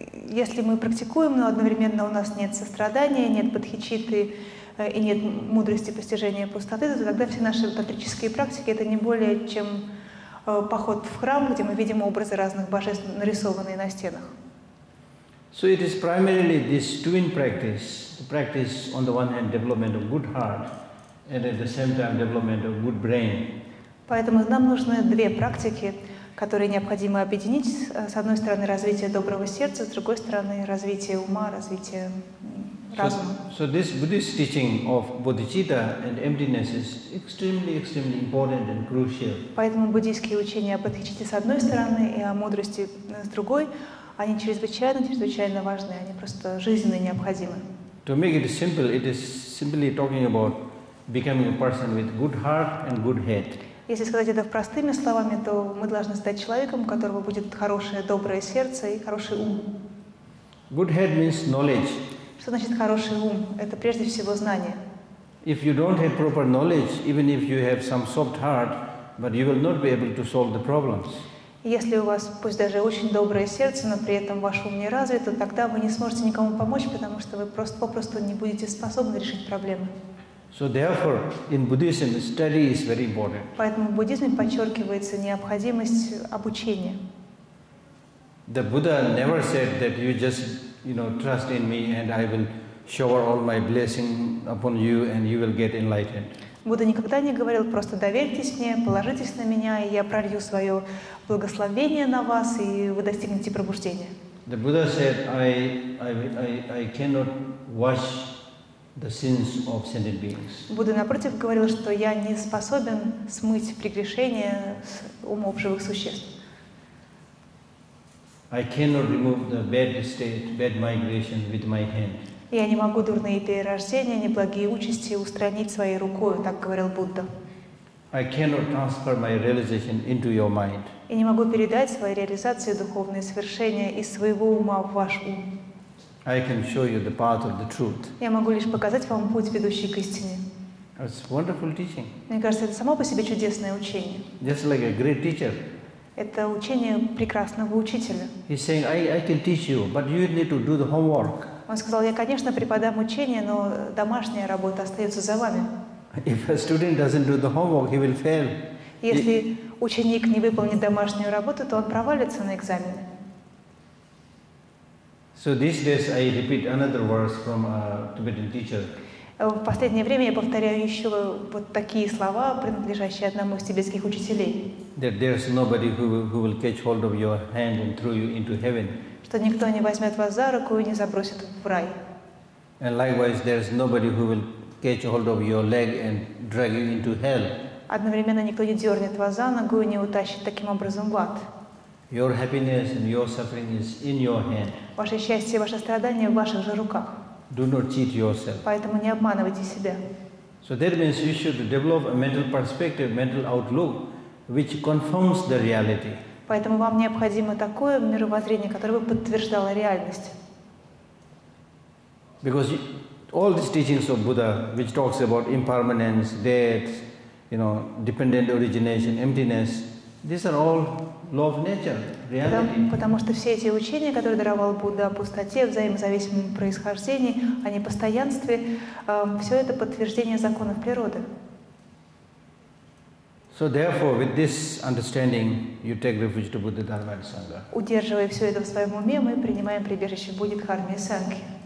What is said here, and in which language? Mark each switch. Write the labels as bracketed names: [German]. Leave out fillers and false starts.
[Russian] Если мы практикуем, но одновременно у нас нет сострадания, нет бодхичитты и нет мудрости постижения пустоты, то тогда все наши тантрические практики — это не более чем поход в храм, где мы видим образы разных божеств, нарисованные на стенах. [English] So it is primarily this twin practice, the practice on the one hand development of good heart and at the same time development of good brain. [Russian] Поэтому нам нужны две практики, которые необходимо объединить: с одной стороны, развитие доброго сердца, с другой стороны, развитие ума, развитие разума. [English] So this Buddhist teaching of bodhicitta and emptiness is extremely important and crucial. [Russian] Поэтому буддийские учения о бодхичитте с одной стороны и о мудрости с другой, они чрезвычайно важны, они просто жизненно необходимы. [English] To make it simple, it is simply talking about becoming a person with good heart and good head. [Russian] Если сказать это простыми словами, то мы должны стать человеком, у которого будет хорошее, доброе сердце и хороший ум. [English] Good head means knowledge. [Russian] Что значит хороший ум? Это прежде всего знание. [English] If you don't have proper knowledge, even if you have some soft heart, but you will not be able to solve the problems. [Russian] Если у вас, пусть даже очень доброе сердце, но при этом ваш ум не развит, то тогда вы не сможете никому помочь, потому что вы просто попросту не будете способны решить проблемы. [English] So therefore, in Buddhism, study is very important. [Russian] Поэтому в буддизме подчеркивается необходимость обучения. [English] The Buddha never said that you just, you know, trust in me and I will shower all my blessing upon you and you will get enlightened. [Russian] Будда никогда не говорил: просто доверьтесь мне, положитесь на меня, и я пролью свое благословение на вас, и вы достигнете пробуждения. [English] The Buddha said, I cannot wash the sins of sentient beings. [Russian] Будда напротив говорил, что я не способен смыть прегрешения с умов живых существ. [English] I cannot remove the bad state, bad migration with my hand. [Russian] Я не могу дурные перерождения, неблагие участи устранить своей рукой, так говорил Будда. [English] I cannot transfer my realization into your mind. [Russian] Я не могу передать свои реализации, духовные свершения из своего ума в ваш ум. [English] I can show you the path of the truth. [Russian] Я могу лишь показать вам путь, ведущий к истине. [English] It's wonderful teaching. [Russian] Мне кажется, это само по себе чудесное учение. [English] Just like a great teacher. [Russian] Это учение прекрасного учителя. [English] He's saying, I can teach you, but you need to do the homework. [Russian] Он сказал: я, конечно, преподам учение, но домашняя работа остается за вами. [English] If a student doesn't do the homework, he will fail. [Russian] Если ученик не выполнит домашнюю работу, то он провалится на экзамене. [English] So these days I repeat another verse from a Tibetan teacher. [Russian] В последнее время я повторяю еще вот такие слова, принадлежащие одному из тибетских учителей. [English] That there is nobody who will catch hold of your hand and throw you into heaven. [Russian] Что никто не возьмет вас за руку и не забросит в рай. [English] And likewise, there is nobody who will catch hold of your leg and drag you into hell. [Russian] Одновременно никто не дернет вас за ногу и не утащит таким образом в ад. [English] Your happiness and your suffering is in your hand. [Russian] Ваше счастье, ваше страдание в ваших же руках. [English] Do not cheat yourself. [Russian] Поэтому не обманывайте себя. [English] So that means you should develop a mental perspective, mental outlook, which confirms the reality. [Russian] Поэтому вам необходимо такое мировоззрение, которое бы подтверждало реальность. [English] Because all these teachings of Buddha, which talks about impermanence, death, you know, dependent origination, emptiness, these are all law of nature, reality. [Russian] Потому что все эти учения, которые даровал Будда о пустоте, взаимозависимом происхождении, о непостоянстве, все это подтверждение законов природы. [English] So therefore, with this understanding, you take refuge to Buddha Dharma and Sangha. [Russian] Удерживая все это в своем уме, мы принимаем прибежище Будды Дхармы и Сангхи.